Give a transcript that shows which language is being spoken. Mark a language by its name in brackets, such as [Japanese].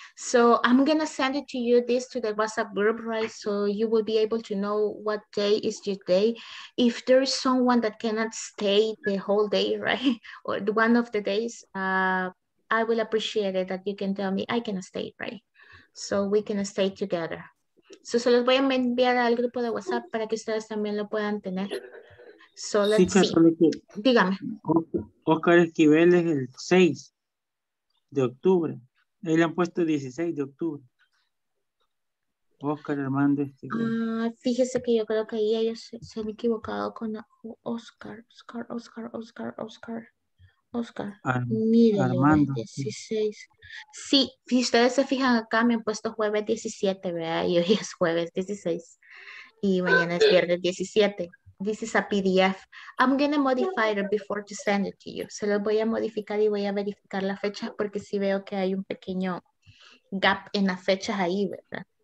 [English] So I'm going to send it to you this to the WhatsApp group, right? So you will be able to know what day is your day. If there is someone that cannot stay the whole day, right? Or one of the days, I will appreciate it that you can tell me I can stay, right? So we can stay together. [Spanish] So se los voy a enviar al grupo de WhatsApp para que ustedes también lo puedan tener. [English] So let's sí, see. [Spanish] Dígame. Oscar Esquivel es el 6 de octubre. Él le han puesto 16 de octubre. Oscar Hernández. Fíjese que yo creo que ahí ellos se han equivocado con Oscar. Oscar, Armando, 16. Sí, si ustedes se fijan acá, me han puesto jueves 17, ¿verdad? Y hoy es jueves 16. Y mañana es viernes 17. [English] This is a PDF. I'm going to modify it before to send it to you. [Spanish] Se los voy a modificar y voy a verificar la fecha porque sí veo que hay un pequeño gap en las fechas ahí, ¿verdad?